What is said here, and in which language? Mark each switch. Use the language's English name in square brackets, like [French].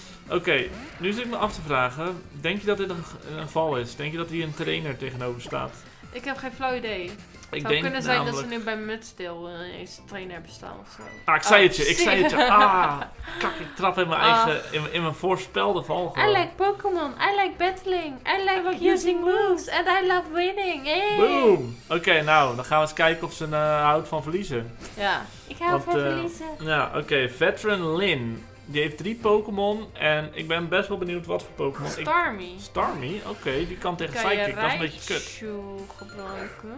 [Dutch] Oké, nu zit ik me af te vragen. Denk je dat dit een val is? Denk je dat hier een trainer tegenover staat? Ik heb geen flauw idee. Ik zou denk kunnen zijn dat ze nu bij Mudsdale ineens trainer hebben staan of zo. Ah, ik zei het je. Ah, kak, ik trap in mijn eigen, in mijn voorspelde val gewoon. [English] I like Pokémon, I like battling, I like using moves, and I love winning. Hey. Boom! [Dutch] Oké, nou, dan gaan we eens kijken of ze houdt van verliezen. Ja, ik hou van verliezen. Ja, oké, Veteran Lin. Die heeft 3 Pokémon en ik ben best wel benieuwd wat voor Pokémon. Starmie. Oké, die kan tegen Psychic. Dat is een beetje kut. Raichu gebruiken.